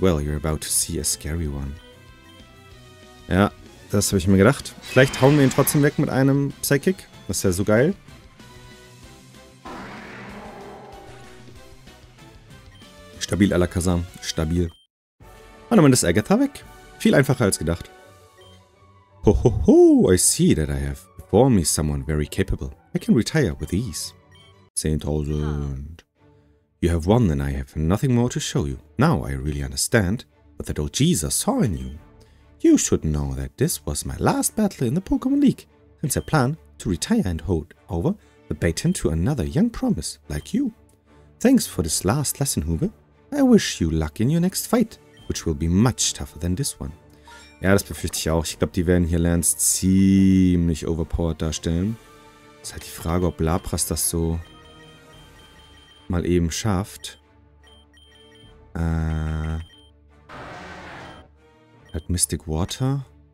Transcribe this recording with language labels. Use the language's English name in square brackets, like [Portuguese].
[English] Well, you're about to see a scary one. [German] Ja, das habe ich mir gedacht. Vielleicht hauen wir ihn trotzdem weg mit einem Psychic. Das ist ja so geil. Stabil, Alakazam. Stabil. Und dann ist Agatha weg. Viel einfacher als gedacht. [English] Hohoho, I see that I have before me someone very capable. I can retire with ease. 10.000. You have won and I have nothing more to show you. Now I really understand what that old Jesus saw in you. You should know that this was my last battle in the Pokémon League, since I plan to retire and hold over the baton to another young promise like you. Thanks for this last lesson, Hube. I wish you luck in your next fight, which will be much tougher than this one. [German] Ja, das befürchte ich auch. Ich glaube, die werden hier Lance ziemlich overpowered darstellen. Ist halt die Frage, ob Lapras das so mal eben schafft. Hat Mystic Water.